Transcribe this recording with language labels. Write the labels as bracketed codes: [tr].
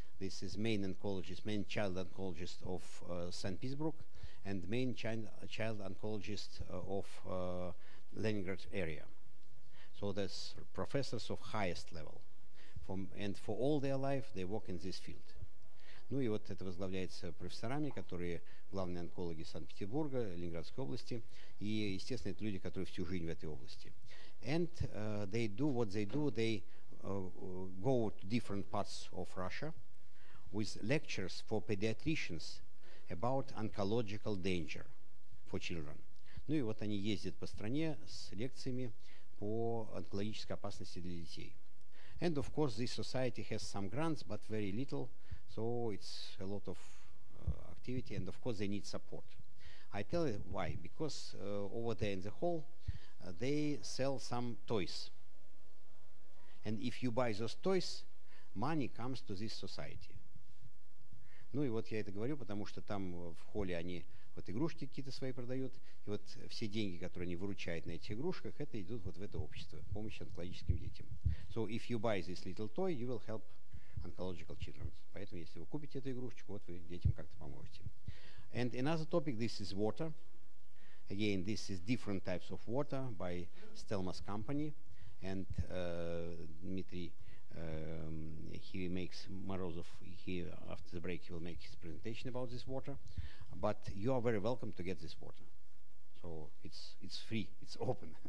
[en] This is main oncologist, main child oncologist of St. Petersburg and main child oncologist of Leningrad area. So that's professors of highest level. And for all their life, they work in this field. [ru] Ну и вот это возглавляется профессорами, которые главные онкологи Санкт-Петербурга, Ленинградской области. И, естественно, это люди, которые всю жизнь в этой области. [en] And they do what they do. They go to different parts of Russia with lectures for pediatricians about oncological danger for children. [ru] Ну и вот они ездят по стране с лекциями по онкологической опасности для детей. [en] And of course, this society has some grants, but very little, so it's a lot of activity, and of course, they need support. I tell you why, because over there in the hall, they sell some toys. And if you buy those toys, money comes to this society. [ru] Ну и вот я это говорю, потому что там в холле они вот игрушки какие-то свои продают, и вот все деньги, которые они выручают на этих игрушках, это идут вот в это общество, в помощь онкологическим детям. [en] So if you buy this little toy, you will help oncological children. [ru] Поэтому если вы купите эту игрушечку, вот вы детям как-то поможете. [en] And another topic, this is water. Again, this is different types of water by Stelmas company. And Dmitry, he makes Morozov, he, after the break, he will make his presentation about this water. But you are very welcome to get this water. So it's free, it's open.